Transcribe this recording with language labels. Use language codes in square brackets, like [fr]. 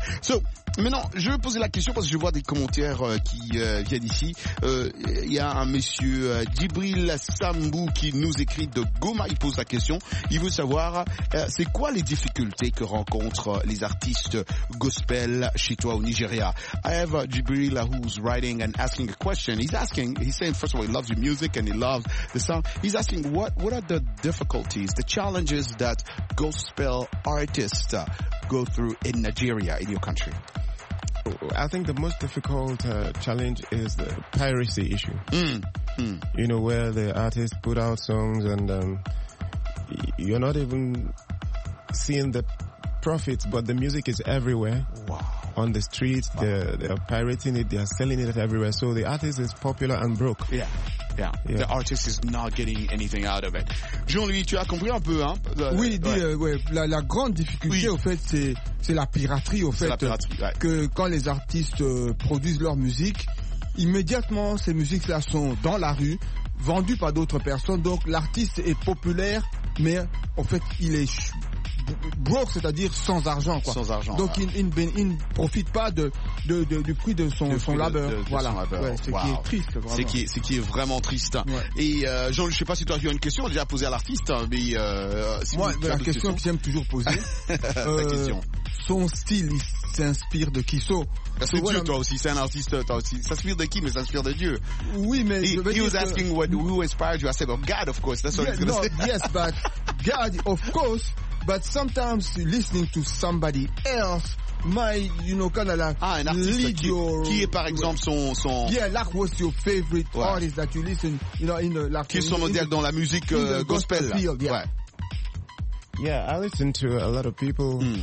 [fr] So, maintenant, je vais poser la question parce que je vois des commentaires qui viennent ici. Il y a un monsieur Djibril Sambou qui nous écrit de Goma. Il pose la question. Il veut savoir, c'est quoi les difficultés que rencontrent les artistes gospel chez toi au Nigeria? [en] I have Djibril who's writing and asking a question. He's asking, he's saying, first of all, he loves the music and he loves the sound. He's asking, what are the difficulties, the challenges that gospel artists go through in Nigeria? In your country, I think the most difficult challenge is the piracy issue. You know, where the artists put out songs and you're not even seeing the profits, but the music is everywhere. Wow. On the streets. Wow. They're pirating it, they're selling it everywhere. So the artist is popular and broke. Yeah. Yeah. Yeah. The artist is not getting anything out of it. [fr] Jean-Louis, tu as compris un peu, hein? Oui, dit, ouais. Ouais, la grande difficulté, oui. Au fait, c'est la piraterie, au fait. C'est la piraterie, ouais. Que quand les artistes produisent leur musique, immédiatement, ces musiques-là sont dans la rue, vendues par d'autres personnes. Donc, l'artiste est populaire, mais en fait, il est broke, c'est-à-dire sans argent, quoi. Sans argent. Donc, ouais. Il ne profite pas du prix de son labeur. Voilà. Son labeur. Ouais, wow. Qui est triste, vraiment. C'est qui est vraiment triste. Ouais. Et, Jean-Luc, je sais pas si toi, tu as une question déjà posée à l'artiste, mais, moi, la question que j'aime toujours poser. Ta question. Son style, il s'inspire de qui? Parce que Dieu, toi aussi, c'est un artiste, toi aussi. Ça s'inspire de qui? Mais ça s'inspire de Dieu. Oui, mais. [en] He was asking who inspired you. I said, of God, of course. That's what he's gonna say. Yes, but God, of course. But sometimes listening to somebody else might, you know, kind of like an artist lead your... [fr] Qui est par exemple son... [en] Yeah, like what's your favorite artist that you listen, you know, in the... Like, [fr] qui est son modèle dans la musique gospel? [en] Field, yeah. [fr] Ouais. [en] Yeah, I listen to a lot of people.